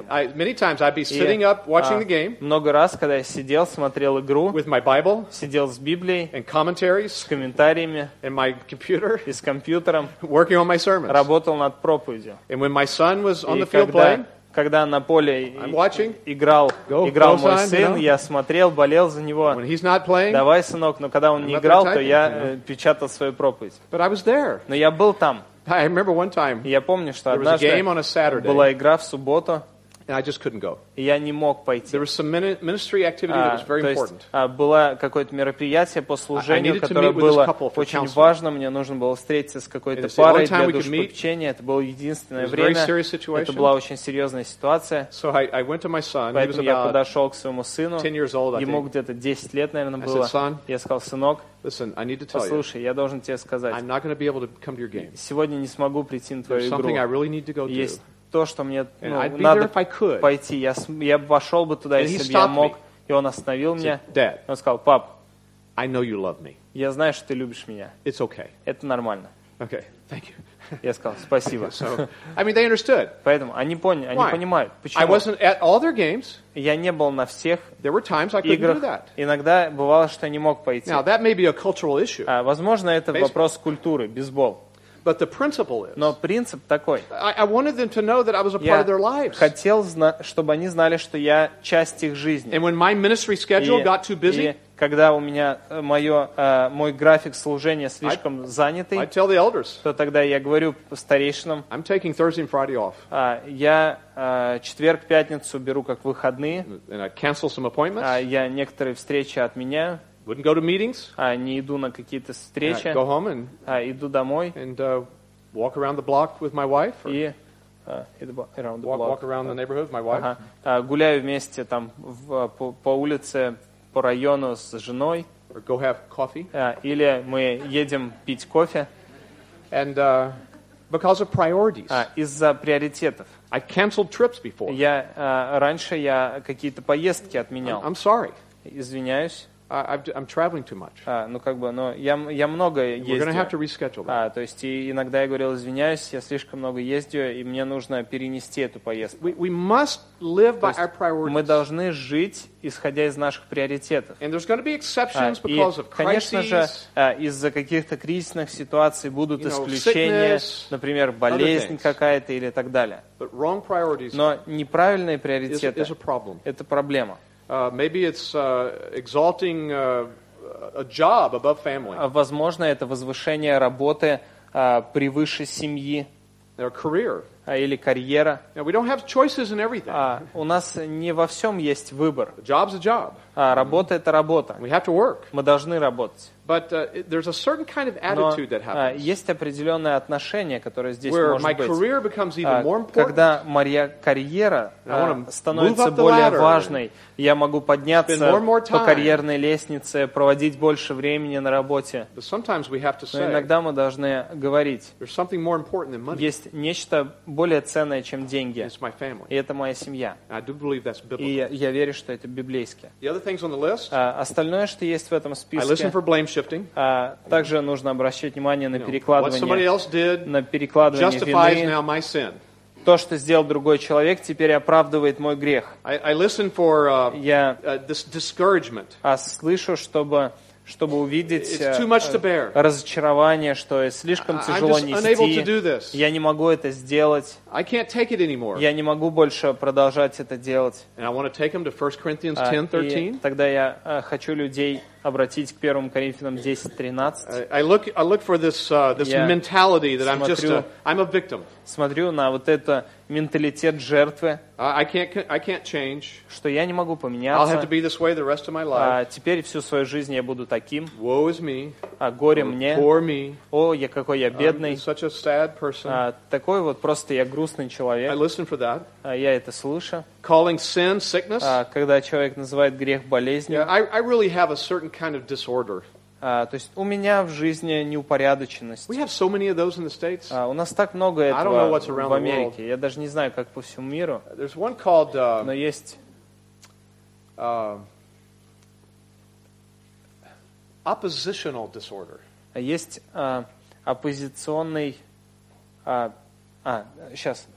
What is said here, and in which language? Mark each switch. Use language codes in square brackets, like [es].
[en] And I, many times I'd be sitting up watching the game. [ru] Много раз, когда я сидел, смотрел игру. [en] With my Bible. [ru] Сидел с Библией. [en] And commentaries. [ru] С комментариями. [en] And my computer. [ru] И с компьютером. [en] Working on my sermons. [ru] Работал над проповедью. [en] And when my son was on the field playing. [ru] Когда на поле играл мой сын, [en] you know? [ru] Я смотрел, болел за него. [en] Playing, [ru] давай, сынок, но когда он не играл, то я печатал свою проповедь. Но я был там. Я помню, что однажды была игра в субботу, [en] and I just couldn't go. [ru] Я не мог пойти. [en] There was some ministry activity that was very important. [ru] Было какое-то мероприятие по служению, которое было очень важно. Мне нужно было встретиться с какой-то парой для душепопечения. Это было единственное время. Это была очень серьезная ситуация. [en] So I went to my son. [ru] Поэтому я подошел к своему сыну. [en] 10 years old, I think. [ru] Ему где-то 10 лет, наверное, было. Я сказал, сынок, [en] listen, I need to tell you. [ru] Послушай, я должен тебе сказать. [en] I'm not going to be able to come to your game. [ru] Сегодня не смогу прийти на твою игру. [en] Something I really need to go do. [ru] То, что мне надо пойти. Я бы вошел бы туда, если бы я мог. И он остановил меня. Он сказал, пап, [en] I know you love me. [ru] Я знаю, что ты любишь меня. [en] It's okay. [ru] Это нормально. [en] Okay. Thank you. [ru] Я сказал, спасибо. [en] So, I mean, they understood. [ru] Поэтому они поняли, они [en] why? [ru] Понимают, почему. [en] I wasn't at all their games. [ru] Я не был на всех [en] there were times [ru] играх. [en] I couldn't do that. [ru] Иногда бывало, что я не мог пойти. [en] Now, that may be a cultural issue. [ru] Возможно, это baseball. Вопрос культуры, бейсбол. [en] But the principle is. [ru] Но принцип такой. [en] I wanted them to know that I was a part of their lives. [ru] Я хотел, чтобы они знали, что я часть их жизни. [en] And when my ministry schedule got too busy. [ru] Когда у меня мой график служения слишком занятый. [en] I tell the elders. [ru] То тогда я говорю старейшинам. [en] I'm taking Thursday and Friday off. [ru] Я четверг, пятницу беру как выходные. [en] And I cancel some appointments. [ru] Я некоторые встречи отменяю. [en] Wouldn't go to meetings. [ru] Не иду на какие-то встречи. [en] Go home and [ru] иду домой. [en] And walk around the block with my wife. Or around the block. Walk around the neighborhood with my wife. [ru] Гуляю вместе там по улице, по району с женой. [en] Or go have coffee. [ru] Или мы едем пить кофе. [en] And because of priorities. [ru] Из-за приоритетов. [en] I canceled trips before. [ru] Я раньше я какие-то поездки отменял. [en] I'm sorry. [ru] Извиняюсь. [en] I'm traveling too much. [ru] Я много ездил. [en] We're going to have to reschedule that. [ru] То есть иногда я говорил, извиняюсь, я слишком много ездил, и мне нужно перенести эту поездку. [en] We must live by our priorities. [ru] Мы должны жить, исходя из наших приоритетов. [en] And there's going to be exceptions because of crises. [ru] Конечно же, из-за каких-то кризисных ситуаций будут исключения, например, болезнь какая-то или так далее. [en] But wrong priorities. [ru] Но неправильные приоритеты. [en] Is a problem. [ru] Это проблема. [en] Maybe it's exalting a job above family. [ru] Возможно, это возвышение работы превыше семьи. [en] Their career. [ru] или карьера. [en] We don't have choices in everything. [ru] У нас не во всем есть выбор. [en] Job's a job. [ru] Работа это работа. [en] We have to work. [ru] Мы должны работать. [en] But there's a certain kind of attitude that happens. [ru] Но есть определенное отношение, которое здесь может быть. [en] Where my career becomes even more important. [ru] Когда моя карьера становится более важной, я могу подняться по карьерной лестнице, проводить больше времени на работе. [en] But sometimes we have to say. [ru] Но иногда мы должны говорить. [en] There's something more important than money. [ru] Есть нечто более ценное, чем деньги. [en] It's my family. [ru] И это моя семья. [en] I do believe that's biblical. [ru] И я верю, что это библейски. [en] The other things on the list. [ru] Остальное, что есть в этом списке. [en] I listen for blame shifting. [ru] Также нужно обращать внимание на перекладывание. [en] What somebody else did. [ru] На перекладывание вины. [en] Justifies now my sin. [ru] То, что сделал другой человек, теперь оправдывает мой грех. [en] I listen for this discouragement. [ru] Слышу, чтобы увидеть [en] It's too much to bear. [ru] Разочарование, что слишком тяжело [en] I'm just unable [ru] нести. [en] To do this. [ru] Я не могу это сделать. [en] I can't take it anymore. [ru] Я не могу больше продолжать это делать. [en] And I want to take them to 1 Corinthians 10:13. [ru] Тогда я хочу людей обратить к 1 Коринфянам 10:13. [en] I look for this mentality that I'm a victim. [ru] Смотрю на вот это менталитет жертвы. [en] I can't change. [ru] Что я не могу поменяться. [en] I'll have to be this way the rest of my life. [ru] Теперь всю свою жизнь я буду таким. [en] Woe is me. [ru] Горе мне. [en] Poor me. [ru] О, я какой я бедный. [en] I'm such a sad person. [ru] Такой вот просто я грустный человек. [en] I listen for that. [ru] Я это слышу. [en] Calling sin sickness. [ru] Когда человек называет грех болезнью. [en] Yeah, I really have a certain kind of disorder. [ru] То есть у меня в жизни неупорядоченность. [en] We have so many of those in the States. [ru] У нас так много этого. [en] I don't know what's around [ru] в Америке. Я даже не знаю, как по всему миру. [en] There's one called. [ru] Но есть. [en] Oppositional disorder. [ru] Есть оппозиционный. Сейчас.